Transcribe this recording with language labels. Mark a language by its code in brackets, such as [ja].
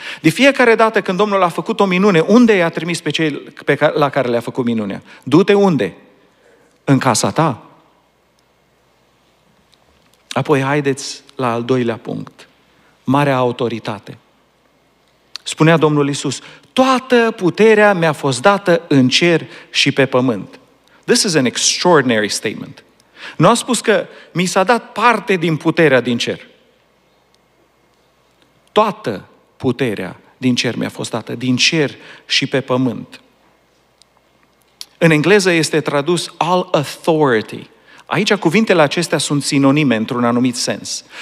[ro] De fiecare dată când Domnul a făcut o minune, unde i-a trimis pe cei la care le-a făcut minunea? Du-te unde? În casa ta. Apoi haideți la al doilea punct. Marea autoritate. Spunea Domnul Iisus, toată puterea mi-a fost dată în cer și pe pământ. [en] This is an extraordinary statement. [ro] Nu a spus că mi s-a dat parte din puterea din cer. Toată puterea din cer mi-a fost dată, din cer și pe pământ. În engleză este tradus [en] all authority. [ro] Aici cuvintele acestea sunt sinonime într-un anumit sens.